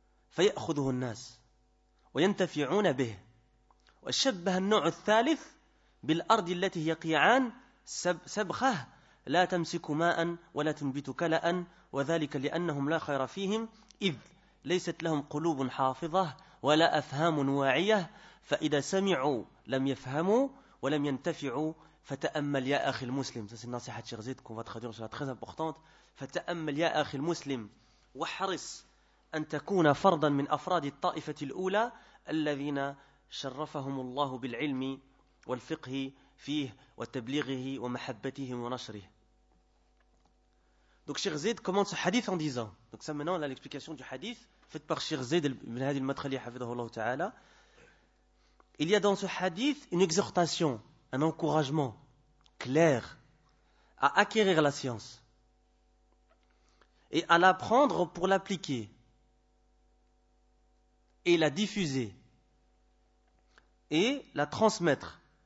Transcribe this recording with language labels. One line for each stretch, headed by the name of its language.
Arabic: فيأخذه الناس وينتفعون به وشبه النوع الثالث بالأرض التي هي قيعان سبخة لا تمسك ماء ولا تنبت كلأ وذلك لأنهم لا خير فيهم إذ ليست لهم قلوب حافظة ولا أفهام واعية فإذا سمعوا لم يفهموا ولم ينتفعوا فتأمل يا أخي المسلم.
French: Ça c'est une nasiha de Cheikh Zayd qu'on va traduire, c'est très importante.
Arabic: فتأمل يا أخي المسلم وحرص أن تكون فردا من أفراد الطائفة الأولى الذين شرفهم الله بالعلم والفقه فيه وتبليغه ومحبته ونشره.
French: Donc Cheikh Zayd commence ce hadith en disant, donc ça maintenant l'explication du hadith faite par Cheikh Zayd ibn Hadi al-Madkhali, hafidhahullah ta'ala. Il y a dans ce hadith une exhortation, un encouragement clair à acquérir la science et à l'apprendre pour l'appliquer et la diffuser et la transmettre.